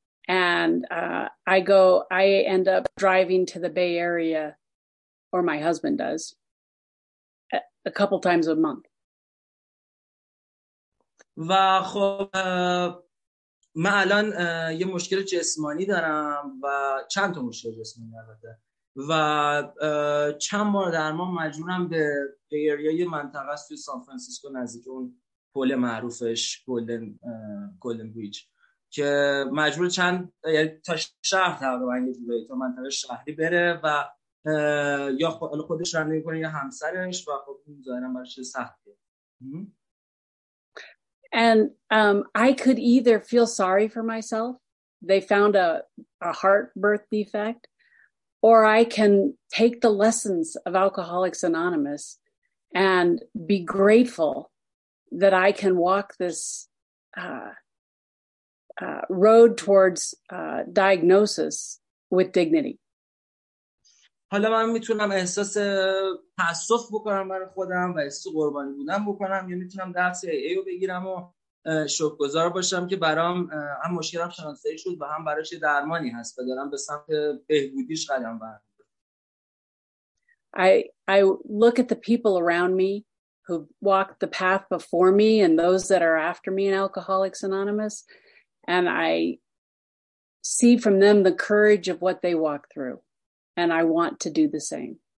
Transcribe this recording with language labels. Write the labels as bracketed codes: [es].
[en] And I end up driving to the Bay Area, or my husband does, a couple times a month. [fa] و خب من الان یه مشکل جسمانی دارم و چند تا مشکل جسمانی البته و چند بار در ماه مجبورم به Bay Area یه منطقه است توی سان فرانسیسکو نزدیک اون پل معروفش گلدن بریج که مجبور چند یعنی تا شهر تقریبا یه جوری تا منطقه شهری بره و یا خودش رانده میکنه یا همسرش و خب این ظاهرم برای چه سختیه. [en] And I could either feel sorry for myself, they found a heart birth defect, or I can take the lessons of Alcoholics Anonymous and be grateful that I can walk this road towards diagnosis with dignity. [fa] حالا من میتونم احساس تأسف بکنم برای خودم و احساس قربانی بودن بکنم، یا میتونم درس ای ای رو بگیرم و شکرگزار باشم که برام هم مشکلم شناسایی شد و هم برایش درمانی هست و دارم به سمت بهبودیش قدم برمی‌دارم. [en] I look at the people around me who walked the path before me and those that are after me in Alcoholics Anonymous, and I see from them the courage of what they walk through, and I want to do the same.